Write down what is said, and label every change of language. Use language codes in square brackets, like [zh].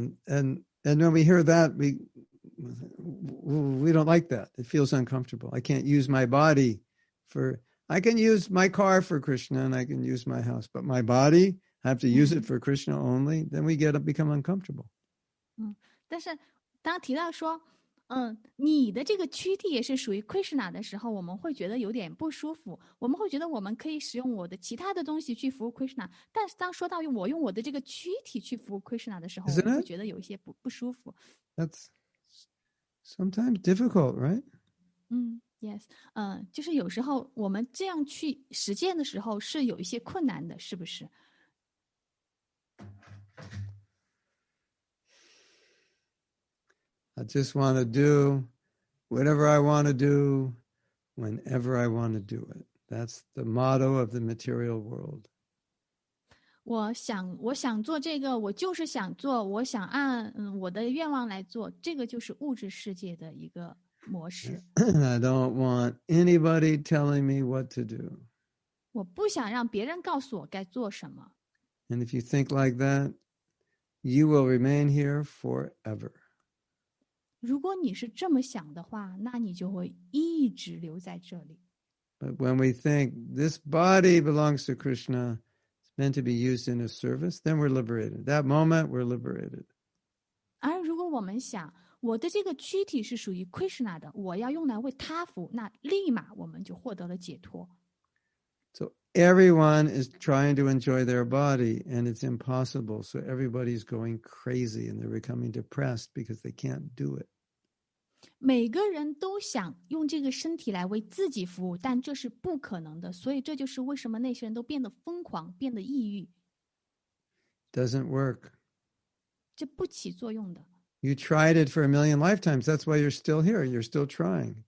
[en] And when we hear that, we don't like that. It feels uncomfortable. I can't use my body for... I can use my car for Krishna and I can use my house, but my body, I have to use it for Krishna only, then we get up, become uncomfortable. [zh] 但是当提到说你的这个躯体也是属于 Krishna 的时候，我们会觉得有点不舒服。我们会觉得我们可以使用我的其他的东西去服务 Krishna， 但是当说到我用我的这个躯体去服务 Krishna 的时候，我们会觉得有一些 不舒服。 [en] That's sometimes difficult, right? Yes. [zh] 就是有时候我们这样去实践的时候是有一些困难的，是不是？ [en] I just want to do whatever I want to do whenever I want to do it. That's the motto of the material world. [zh] 我想做这个，我就是想做，我想按我的愿望来做，这个就是物质世界的一个模式。 [en] I don't want anybody telling me what to do. [zh] 我不想让别人告诉我该做什么。 [en] And if you think like that, you will remain here forever. [zh] 如果你是这么想的话，那你就会一直留在这里。 [en] But when we think this body belongs to Krishna, it's meant to be used in his service, then we're liberated. That moment, we're liberated. [zh] 而如果我们想我的这个躯体是属于 Krishna 的，我要用来为他服，那立马我们就获得了解脱。 [en] So everyone is trying to enjoy their body, and it's impossible. So everybody is going crazy, and they're becoming depressed because they can't do it. [zh] 每个人都想用这个身体来为自己服务，但这是不可能的。所以这就是为什么那些人都变得疯狂，变得抑郁。 [en] Doesn't work. [zh] 这不起作用的。 [en] You tried it for a million lifetimes. That's why you're still here. You're still trying.